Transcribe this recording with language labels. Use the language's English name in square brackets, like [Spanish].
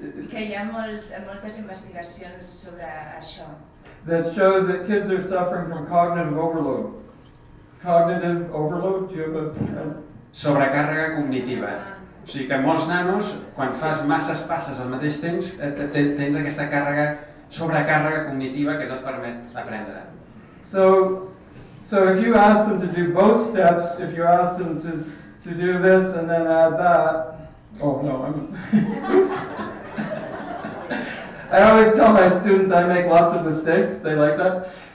[Catalan] Que hi ha moltes investigacions sobre això. [English] That shows that kids are suffering from cognitive overload. Cognitive overload, do you have [Catalan] sobrecàrrega cognitiva. O sigui que molts nanos, quan fas masses passes al mateix temps, tens aquesta càrrega, sobrecàrrega cognitiva que no et permet aprendre. [English] So if you ask them to do both steps, if you ask them to do this and then add that, oh no, I always tell my students I make lots of mistakes, they like that.